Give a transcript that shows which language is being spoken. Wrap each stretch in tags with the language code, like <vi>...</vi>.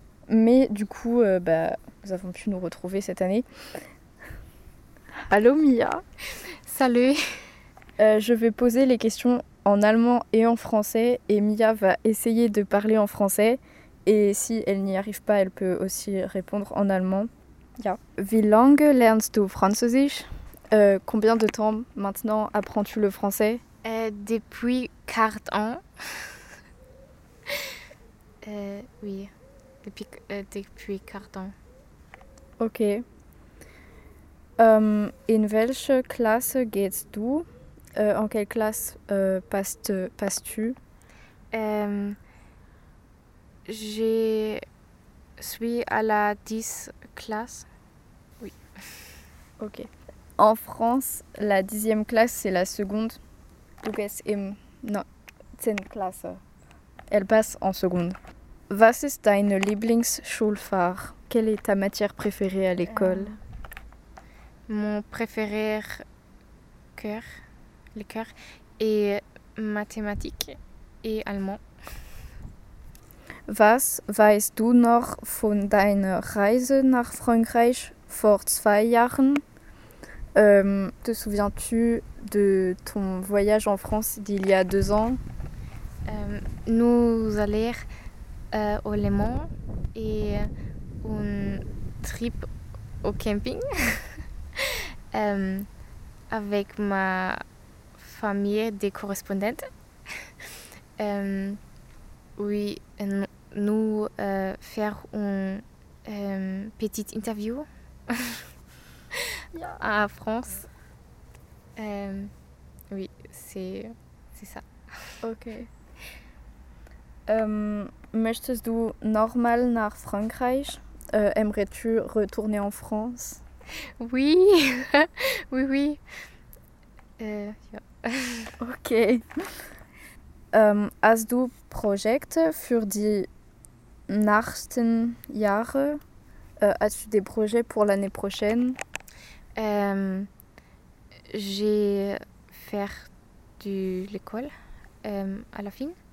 <fr>Mais du coup, nous avons pu nous retrouver cette année. Allô Mia. Salut. Je vais poser les questions en allemand et en français et Mia va essayer de parler en français. Et si elle n'y arrive pas, elle peut aussi répondre en allemand.</fr> <en>Yeah.</en> <de>Wie lange lernst du Französisch?</de> <fr>Combien de temps maintenant apprends-tu le français? Depuis 40 ans. oui. Depuis 4 ans. Ok.</fr> <de>In welche Klasse gehst du?</de> <fr>En quelle classe passes-tu? Je suis à la 10e classe. Oui. Ok. En France, la 10e classe, c'est la seconde.</fr> <de>Du gehst im</de> <fr>10e classe. Elle passe en seconde.</fr> <de>Was ist deine Lieblingsschulfach?</de> <fr>Quelle est ta matière préférée à l'école? Mon préféré, le cœur, est mathématiques et allemand.</fr> <de>Was weißt du noch von deiner Reise nach Frankreich vor 2 Jahren?</de> <fr>Te souviens-tu de ton voyage en France d'il y a 2 ans? Nous allons au Léman et une trip au camping avec ma famille des correspondantes. oui, nous faire une petite interview à France. Oui, c'est ça. Ok.</fr> <de>Möchtest du normal nach Frankreich?</de> <fr>Aimerais-tu retourner en France? Oui, oui, oui.</fr> <en>Yeah. Ok.</en> <de>Hast du Projekte für die nächsten Jahre?</de> <fr>As-tu des projets pour l'année prochaine? J'ai fait de l'école à la fin.</fr>